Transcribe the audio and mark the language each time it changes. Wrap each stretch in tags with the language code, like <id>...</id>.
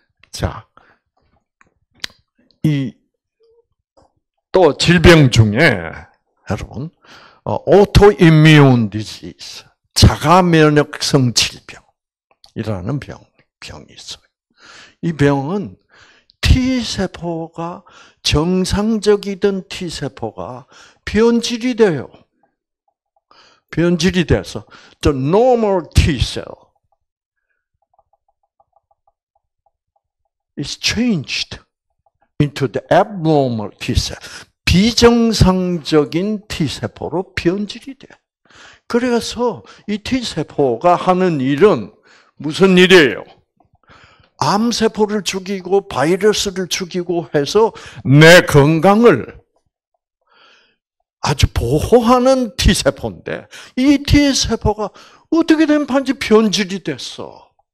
<ko>자, 이 또 질병 중에 여러분 autoimmune disease, 자가 면역성 질병이라는 병이 있어요. 이 병은 T세포가 정상적이던 T세포가 변질이 돼요. 변질이 돼서</ko> <en>the normal T-cell is changed into the abnormal T-cell.</en> <ko>비정상적인 T세포로 변질이 돼. 그래서 이 T세포가 하는 일은 무슨 일이에요? 암세포를 죽이고 바이러스를 죽이고 해서 내 건강을 아주 보호하는 T세포인데 이 T세포가 어떻게 된 판지 변질이 됐어.</ko>